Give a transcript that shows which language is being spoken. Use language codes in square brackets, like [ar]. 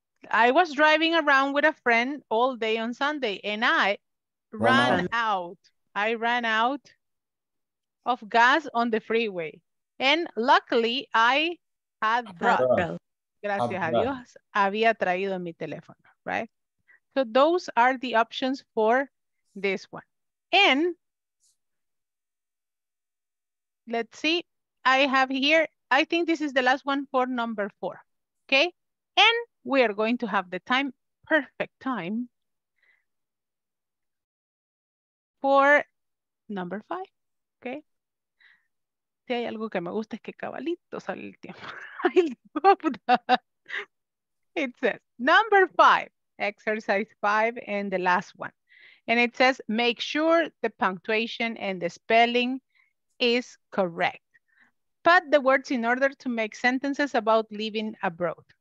[en] I was driving around with a friend all day on Sunday and I ran out. I ran out of gas on the freeway. And luckily, I had brought. [es] Gracias a Dios, había traído mi teléfono, right? [en] So those are the options for this one. And let's see, I have here, I think this is the last one for number four, okay? And we are going to have the time, perfect time, for number five, okay? [es] Si hay algo que me gusta es que cabalito sale el tiempo. [en] I love that. It says, number five, exercise five, and the last one. And it says, make sure the punctuation and the spelling is correct. Put the words in order to make sentences about living abroad.